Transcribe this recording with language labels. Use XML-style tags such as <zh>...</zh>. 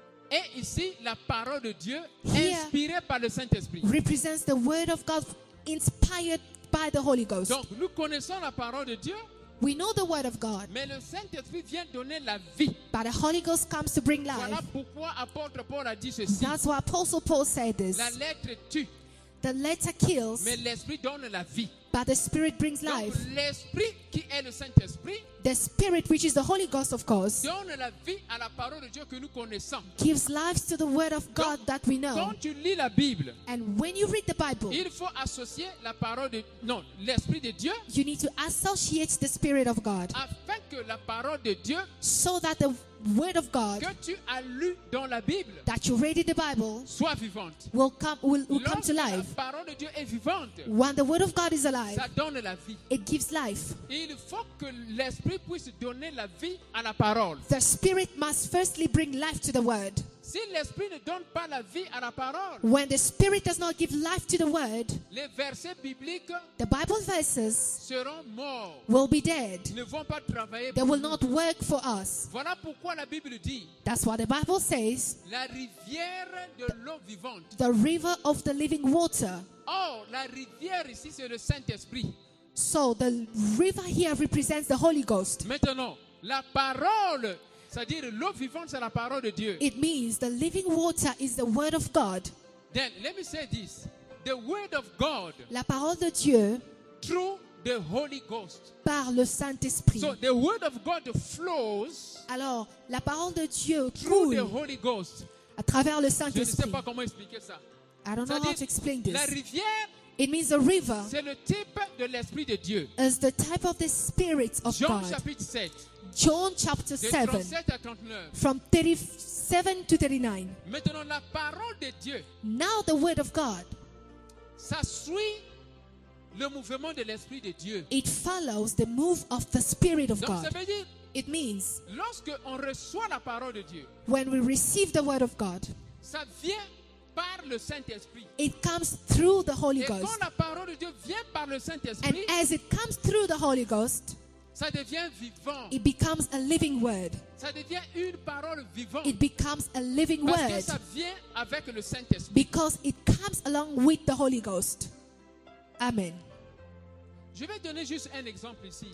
<fr>Et ici, la parole de Dieu, inspirée par le Saint-Esprit,</fr> <en>represents the word of God inspired by the Holy Ghost.</en> <fr>Donc, nous connaissons la parole de Dieu.</fr> <en>We know the word of God.</en> <fr>Mais le Saint-Esprit vient donner la vie.</fr> <en>But the Holy Ghost comes to bring life.</en> <fr>Voilà pourquoi Apôtre Paul a dit ceci.</fr> <en>That's why Apostle Paul said this.</en> <fr>La lettre tue.</fr> <en>The letter kills.</en> <fr>Mais l'Esprit donne la vie.</fr> <en>But the Spirit brings life.</en> <fr>Donc, l'Esprit qui est le Saint-Esprit,</fr> <en>the Spirit, which is the Holy Ghost, of course,</en> <fr>donne la vie à la parole de Dieu que nous connaissons.</fr> <en>Gives life to the word of God.</en> <fr>Donc,</fr> <en>that we know.</en> <fr>Quand tu lis la Bible,</fr> <en>and when you read the Bible,</en> <fr>il faut associer la parole de, non, l'Esprit de Dieu,</fr> <en>you need to associate the Spirit of God,</en> <fr>afin que la parole de Dieu,</fr> <en>so that the word of God,</en> <fr>que tu as lu dans la Bible,</fr> <en>that you read in the Bible,</en> <fr>soit vivante,</fr> <en>will come to life.</en> <fr>La parole de Dieu est vivante,</fr> <en>when the word of God is alive,</en> <fr>ça donne la vie.</fr> <en>It gives life.</en> <fr>Il faut que l'Esprit puisse donner la vie à la parole.</fr> <en>The Spirit must firstly bring life to the word.</en> <fr>Si l'Esprit ne donne pas la vie à la parole,</fr> <en>when the Spirit does not give life to the word,</en> <fr>les versets bibliques,</fr> <en>the Bible verses,</en> <fr>seront morts,</fr> <en>will be dead,</en> <fr>ne vont pas travailler,</fr> <en>they will not work for us.</en> <fr>Voilà pourquoi la Bible dit,</fr> <en>that's what the Bible says,</en> <fr>la rivière de l'eau vivante,</fr> <en>the river of the living water.</en> <fr>Oh, la rivière ici, c'est le Saint-Esprit.</fr> <en>So the river here represents the Holy Ghost.</en> <fr>Maintenant, la parole, c'est-à-dire l'eau vivante, c'est la parole de Dieu.</fr> <en>It means the living water is the word of God. Then let me say this: the word of God,</en> <fr>la parole de Dieu,</fr> <en>through the Holy Ghost,</en> <fr>par le Saint-Esprit.</fr> <en>So the word of God flows.</en> <fr>Alors la parole de Dieu coule</fr> <en>through the Holy Ghost,</en> <fr>à travers le Saint-Esprit. Je ne sais pas comment expliquer ça.</fr> <en>I don't know how to explain this.</en> <fr>La rivière,</fr> <en>it means a river,</en> <fr>c'est le type de l'Esprit de Dieu,</fr> <en>is the type of the Spirit of</en> <fr>Jean</fr> <en>God.</en> <fr>Chapitre 7,</fr> <en>John chapter 7,</en> <fr>de 37 à 39,</fr> <en>from 37 to 39.</en> <fr>Maintenant, la parole de Dieu,</fr> <en>now the word of God,</en> <fr>ça suit le mouvement de l'Esprit de Dieu.</fr> <en>It follows the move of the Spirit of</en> <fr>donc,</fr> <en>God.</en> <fr>Ça veut dire,</fr> <en>it means,</en> <fr>lorsque on reçoit la parole de Dieu,</fr> <en>when we receive the word of God,</en> <fr>ça vient par le Saint-Esprit.</fr> <en>It comes through the Holy</en> <fr>et</fr> <en>Ghost.</en> <fr>Quand la parole de Dieu vient par le Saint-Esprit,</fr> <en>and as it comes through the Holy Ghost,</en> <fr>ça devient vivant.</fr> <en>It becomes a living word.</en> <fr>Ça devient une parole vivante.</fr> <en>It becomes a living</en> <fr>parce</fr> <en>word.</en> <fr>Que ça vient avec le Saint-Esprit.</fr> <en>Because it comes along with the Holy Ghost. Amen.</en> <fr>Je vais donner juste un exemple ici.</fr>